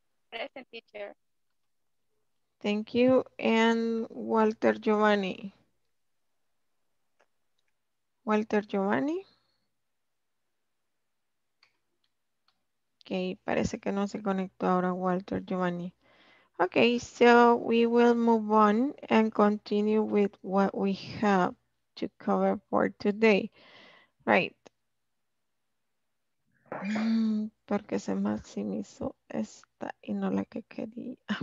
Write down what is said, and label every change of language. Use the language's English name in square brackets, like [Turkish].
[English] Present, teacher. Thank you. And Walter Giovanni. Walter Giovanni. [Spanish] Okay, parece que no se conectó ahora Walter Giovanni. [English] Okay, so we will move on and continue with what we have to cover for today. Right. [Spanish] Porque se maximizó esta y no la que quería.